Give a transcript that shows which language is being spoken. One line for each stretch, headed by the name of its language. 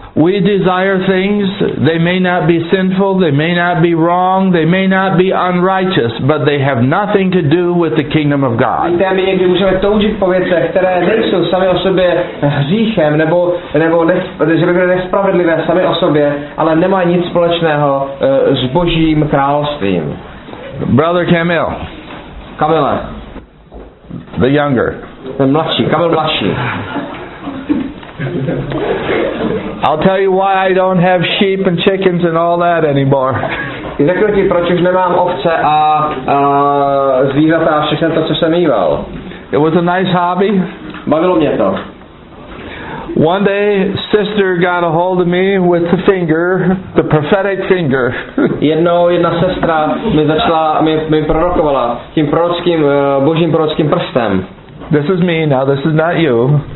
English: We desire things, they may not be sinful, they may not be wrong, they may not be unrighteous, but they have nothing to do with the kingdom of God.
Czech: Víte, my někdy můžeme toužit po věcech, které nejsou sami o sobě hříchem, nebo nespravedlivé sami o sobě, ale nemají nic společného s Božím královstvím.
English: Brother Camille.
Czech: Kamile.
English: The younger.
Czech: Ten mladší, Kamil mladší.
English: I'll tell you why I don't have sheep and chickens and all that anymore.
Czech: Řeknu ti, proč už nemám ovce a zvířata a všechno to, co jsem mýval.
English: It was a nice hobby.
Czech: Bavilo mě to.
English: One day, sister got a hold of me with the finger, the prophetic finger.
Czech: Jedna sestra mi prorokovala tím prorockým, božím prorockým prstem.
English: This is me, now this is not you.